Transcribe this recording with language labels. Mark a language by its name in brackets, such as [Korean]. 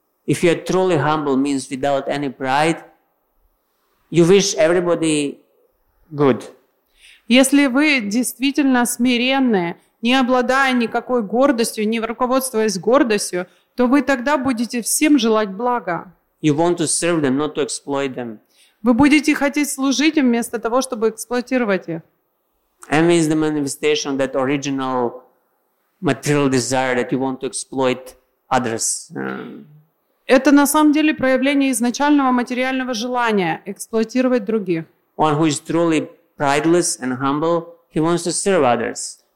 [English] If you are truly humble, means without any pride, you wish everybody good. [Russian] Если вы действительно смиренные, не обладая никакой гордостью, не руководствуясь гордостью, то вы тогда будете всем желать блага. [English] You want to serve them, not to exploit them. [Russian] Вы будете хотеть служить им вместо того, чтобы эксплуатировать их. [English] Envy is the manifestation of that original material desire that you want to exploit others. [Russian] Это на самом деле проявление изначального материального желания эксплуатировать других. [English] One who is truly prideless and humble, he wants to serve others.